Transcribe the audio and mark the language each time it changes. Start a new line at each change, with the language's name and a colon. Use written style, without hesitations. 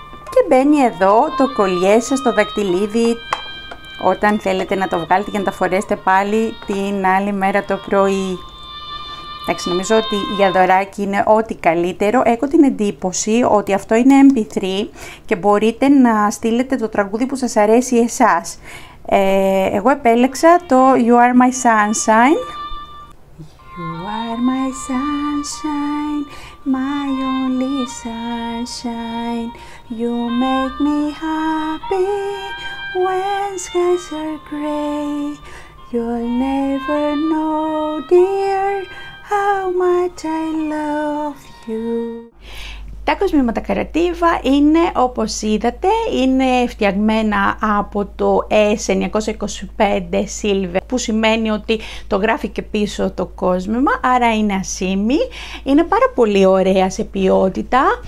Greek: Και μπαίνει εδώ το κολιέ σας, το δακτυλίδι, όταν θέλετε να το βγάλετε για να το φορέσετε πάλι την άλλη μέρα το πρωί. Εντάξει, νομίζω ότι για δωράκι είναι ό,τι καλύτερο. Έχω την εντύπωση ότι αυτό είναι MP3 και μπορείτε να στείλετε το τραγούδι που σας αρέσει εσάς. Εγώ επέλεξα το
English: You Are My Sunshine. You are my sunshine, my only sunshine. You make me happy When skies are gray, you'll never know, dear, how much I love you.
Greek: Τα κοσμήματα καρατίβα είναι, όπως είδατε, είναι φτιαγμένα από το S925 Silver, που σημαίνει ότι το γράφει και πίσω το κόσμημα, άρα είναι ασήμι. Είναι πάρα πολύ ωραία σε ποιότητα.